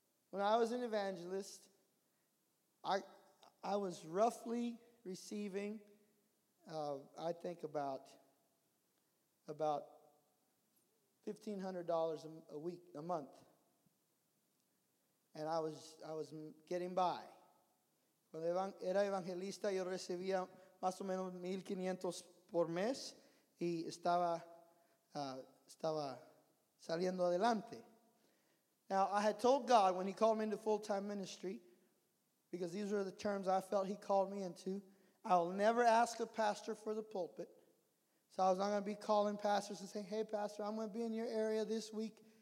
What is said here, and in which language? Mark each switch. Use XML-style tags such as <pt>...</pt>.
<en>When I was an evangelist, I was roughly receiving, I think, about $1,500 a week, a month. And I was getting by.</en> <es>Era evangelista, yo recibía más o menos 1,500 por mes y estaba saliendo adelante.</es> <en>Now, I had told God when He called me into full-time ministry, because these were the terms I felt He called me into, I'll never ask a pastor for the pulpit. So I was not going to be calling pastors and saying, "Hey, pastor, I'm going to be in your area this week."</en>